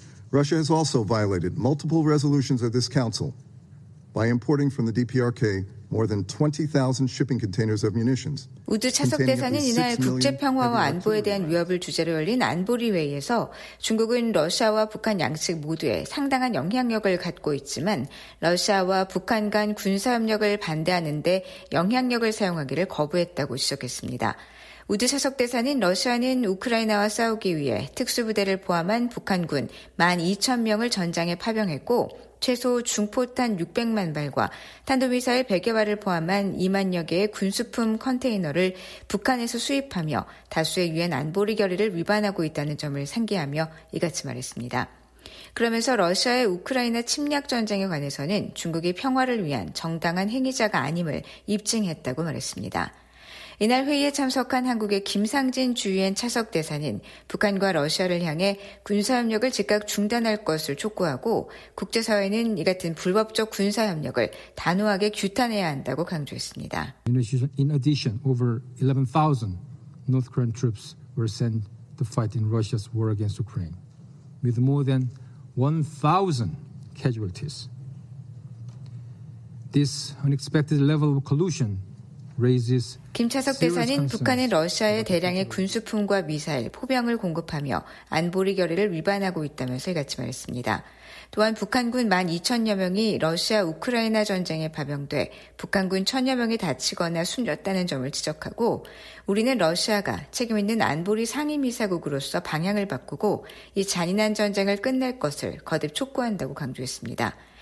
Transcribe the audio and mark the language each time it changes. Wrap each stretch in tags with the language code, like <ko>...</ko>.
<en>Russia has also violated multiple resolutions of this council by importing from the DPRK more than 20,000 shipping containers of munitions.</en> <ko>우드 차석 대사는 이날 국제 평화와 안보에 대한 위협을 주제로 열린 안보리 회의에서 중국은 러시아와 북한 양측 모두에 상당한 영향력을 갖고 있지만 러시아와 북한 간 군사 협력을 반대하는 데 영향력을 사용하기를 거부했다고 지적했습니다. 우드 차석대사는 러시아는 우크라이나와 싸우기 위해 특수부대를 포함한 북한군 12,000명을 전장에 파병했고 최소 중포탄 600만 발과 탄도미사일 100여발을 포함한 2만여 개의 군수품 컨테이너를 북한에서 수입하며 다수의 유엔 안보리 결의를 위반하고 있다는 점을 상기하며 이같이 말했습니다. 그러면서 러시아의 우크라이나 침략 전쟁에 관해서는 중국이 평화를 위한 정당한 행위자가 아님을 입증했다고 말했습니다. 이날 회의에 참석한 한국의 김상진 주유엔 차석대사는 북한과 러시아를 향해 군사협력을 즉각 중단할 것을 촉구하고 국제사회는 이 같은 불법적 군사협력을 단호하게 규탄해야 한다고 강조했습니다.</ko> <en>In addition, over 11,000 North Korean troops were sent to fight in Russia's war against Ukraine, with more than 1,000 casualties. This unexpected level of collusion</en> <ko>김 차석 대사는 북한은 러시아에 대량의 군수품과 미사일, 포병을 공급하며 안보리 결의를 위반하고 있다면서 이같이 말했습니다. 또한 북한군 12,000여 명이 러시아 우크라이나 전쟁에 파병돼 북한군 1,000여 명이 다치거나 숨졌다는 점을 지적하고 우리는 러시아가 책임 있는 안보리 상임이사국으로서 방향을 바꾸고 이 잔인한 전쟁을 끝낼 것을 거듭 촉구한다고 강조했습니다.</ko>